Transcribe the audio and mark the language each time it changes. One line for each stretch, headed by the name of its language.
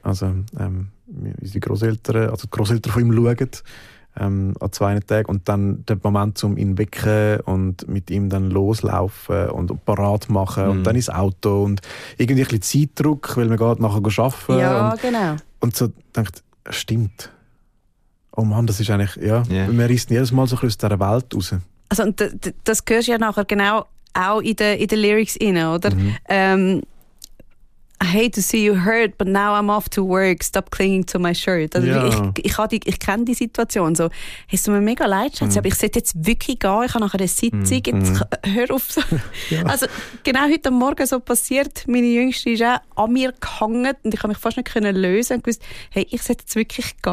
German: Unsere Grosseltern, also die Grosseltern von ihm schauen an 2 Tagen und dann den Moment, um ihn wecken und mit ihm dann loslaufen und parat machen und dann ins Auto und irgendwie ein bisschen Zeitdruck, weil man geht nachher arbeiten. Ja, und genau. Und so denkt, stimmt. Oh Mann, das ist eigentlich, man reißt jedes Mal so ein bisschen aus dieser Welt raus. Also und das hörst du ja nachher genau auch in den Lyrics rein, oder?
English: I hate to see you hurt, but now I'm off to work. Stop clinging to my shirt.
German: Also ich kenne die Situation so. Es tut mir mega leid, Schatz, aber ich sollte jetzt wirklich gehen. Ich habe nachher eine Sitzung. Hör auf. So. Also genau heute Morgen so passiert. Meine Jüngste ist auch an mir gehangen und ich habe mich fast nicht können lösen und gewusst, hey, ich sollte jetzt wirklich gehen.